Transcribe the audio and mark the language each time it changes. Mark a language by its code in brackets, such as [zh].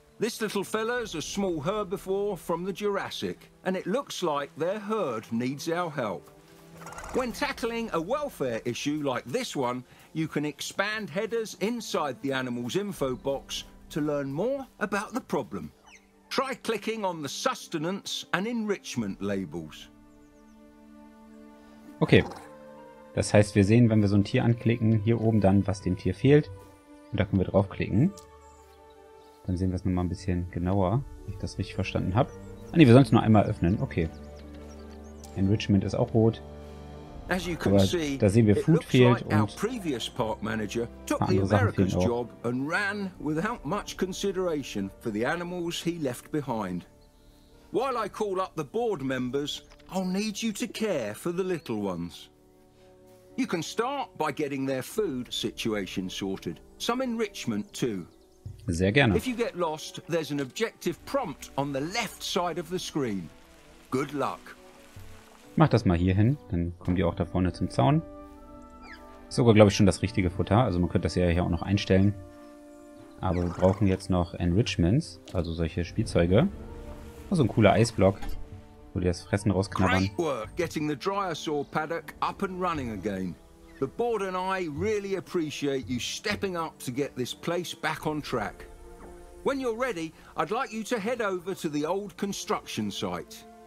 [en] This little fella's a small herbivore from the Jurassic, and it looks like their herd needs our help. When tackling a welfare issue like this one, you can expand headers inside the animal's info box to learn more about the problem. Try clicking on the sustenance and enrichment labels. [de] Okay, das heißt, wir sehen, wenn wir so ein Tier anklicken, hier oben dann, was dem Tier fehlt. Und da können wir draufklicken. Dann sehen wir es nochmal ein bisschen genauer, wenn ich das richtig verstanden habe. Ah ne, wir sollen es nur einmal öffnen. Okay. Enrichment ist auch rot. [en] As you can see, [de] da sehen wir Food fehlt und [en] our previous park manager took the American's job and ran without much consideration for the animals he left behind. While I call up the board members, I'll need you to care for the little ones. You can start by getting their food situation sorted. Some enrichment too. [de] Sehr gerne. [en] If you get lost, there's an objective prompt on the left side of the screen. Good luck. [de] Mach das mal hier hin, dann kommen die auch da vorne zum Zaun. Sogar, glaube ich, schon das richtige Futter. Also man könnte das ja hier auch noch einstellen. Aber wir brauchen jetzt noch Enrichments, also solche Spielzeuge. So ein cooler Eisblock, wo die das Fressen rausknabbern. [en] Great work getting the dryosaur paddock up and running again. The board and I really appreciate you stepping up to get this place back on track. When you're ready, I'd like you to head over to the old construction site.